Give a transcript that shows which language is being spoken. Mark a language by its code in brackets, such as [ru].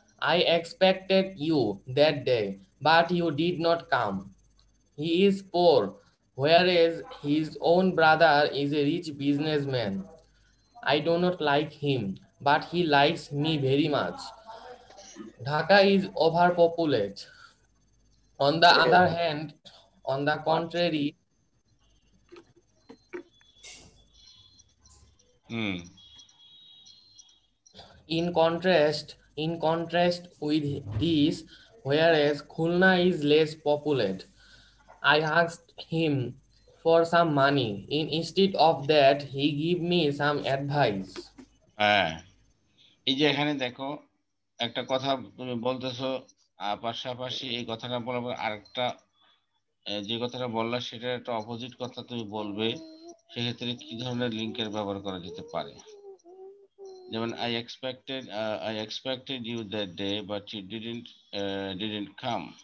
[en] I expected you that day, but you did not come. He is poor, where is his own brother is a rich businessman. I do not like him, but he likes me very much. Dhaka is over populate. On the other hand, on the contrary, in contrast with this, whereas Khulna is less populated, I asked him for some money. Instead of that, he gave me some advice. [bn] এই যে এখানে দেখো একটা কথা তুমি বলতেছো, পাশাপাশি এই কথাটা বলার আরেকটা যে কথাটা বললা সেটার একটা অপোজিট কথা তুমি বলবে, সেক্ষেত্রে কি ধরনের লিঙ্কের ব্যবহার করা যেতে পারে। যেমন [en] I expected you that day, but you didn't come.